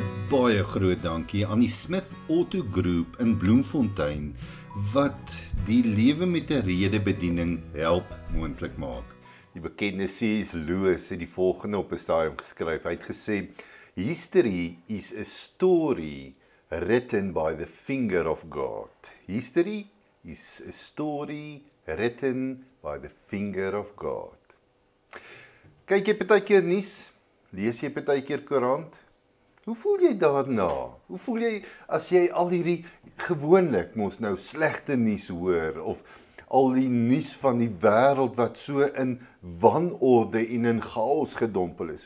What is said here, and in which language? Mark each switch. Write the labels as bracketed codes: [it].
[af] baie groot dankie aan die Smith Auto Group in Bloemfontein wat die Lewe met 'n Rede bediening help moontlik maak. Die bekende CS Lewis het die volgende op 'n stadium geskryf. Hy het gesê, [en] "History is a story written by the finger of God." History is a story written by the finger of God. [af] Kyk jy partykeer nuus? Lees jy partykeer koerant? Hoe voel jy daarna? Hoe voel jy as jy al hierdie gewoonlik mos nou slegte nuus hoor of al die nuus van die wêreld wat so in wanorde en in chaos gedompel is?